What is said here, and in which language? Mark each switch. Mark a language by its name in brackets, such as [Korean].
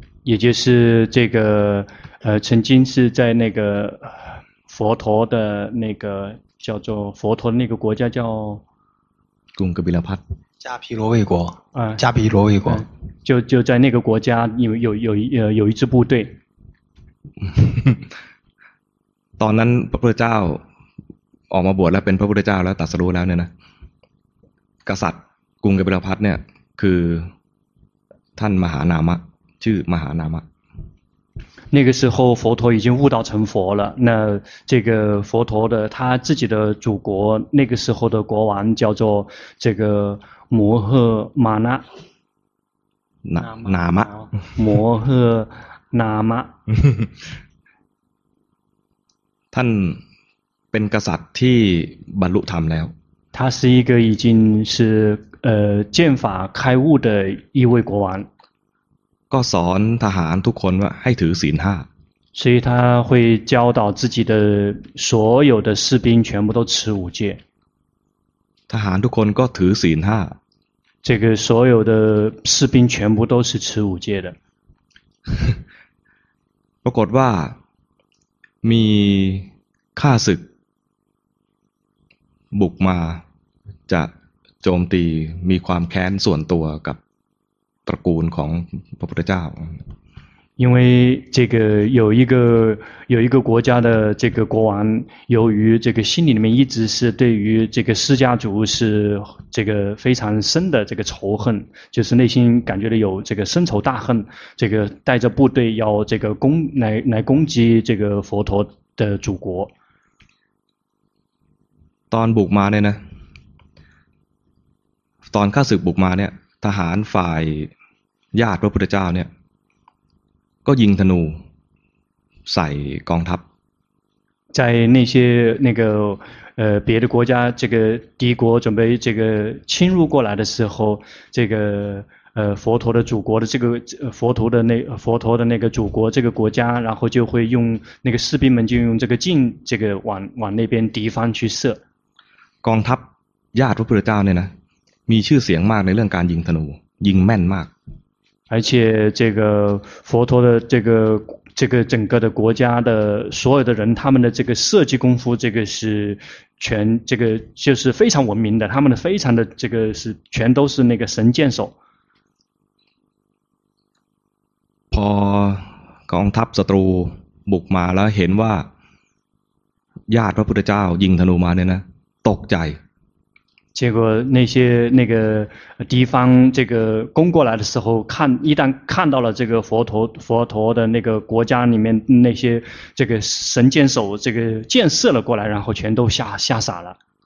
[Chinese] 也就是这个曾经是在那个佛陀的那个叫做佛陀的那个国家叫 [Thai] กรุงกบิลพัสดุ์ [Chinese] 迦毗罗卫国迦毗罗卫国就在那个国家有一支部队 [Thai] ตอนนั้นพระพุทธเจ้าออกมาบวชแล้วเป็นพระพุทธเจ้าแล้วตรัสรู้แล้วเนี่ยนะกษัตริย์กรุงกบิลพัสดุ์เนี่ยคือท่านมหานามะชื่อมหานามะ [Chinese] 那个时候佛陀已经悟道成佛了那这个佛陀的他自己的祖国那个时候的国王叫做这个摩诃玛那那玛摩诃那玛 [Thai] 他เป็นกษัตริย์ที่บรรลุธรรมแล้ว [Chinese] 他是一个已经是剑法开悟的一位国王 [Thai] ก็สอนทหารทุกคนว่าให้ถือศีล5 [Chinese] 所以他会教导自己的所有的士兵全部都持五戒 [Thai] ทหารทุกคนก็ถือศีล5 [Chinese] 这个所有的士兵全部都是持五戒的 [Thai] ปรากฏว่ามีข้าศึกบุกมาจะโจมตีมีความแค้นส่วนตัวกับตระกูลของพระพุทธเจ้า [Chinese] 因为这个有一个国家的这个国王由于这个心里面一直是对于这个释迦族是这个非常深的这个仇恨就是内心感觉的有这个深仇大恨这个带着部队要这个来攻击这个佛陀的祖国 [Thai] ตอนบุกมาเนี่ยนะตอนข้าศึกบุกมาเนี่ยทหารฝ่ายญาติพระพุทธเจ้าเนี่ยก็ยิงธนูใส่กองทัพ [Chinese] 在那些那个别的国家这个敌国准备这个侵入过来的时候这个佛陀的祖国的这个佛陀的那个祖国这个国家然后就会用那个士兵们就用这个箭这个往那边敌方去射 [Thai] กองทัพญาติพระพุทธเจ้าเนี่ยนะมีชื่อเสียงมากในเรื่องการยิงธนูยิงแม่นมาก [Chinese] 而且这个佛陀的这个整个的国家的所有的人他们的这个射击功夫这个是全这个就是非常文明的他们的非常的这个是全都是那个神箭手 [Thai] พอกองทัพศัตรูบุกมาแล้วเห็นว่าญาติพระพุทธเจ้ายิงธนูมาเนี่ยนะตกใจ [Chinese] 结果那些那个敌方这个攻过来的时候看一旦看到了这个佛陀的那个国家里面那些这个神箭手这个箭射了过来然后全都吓傻了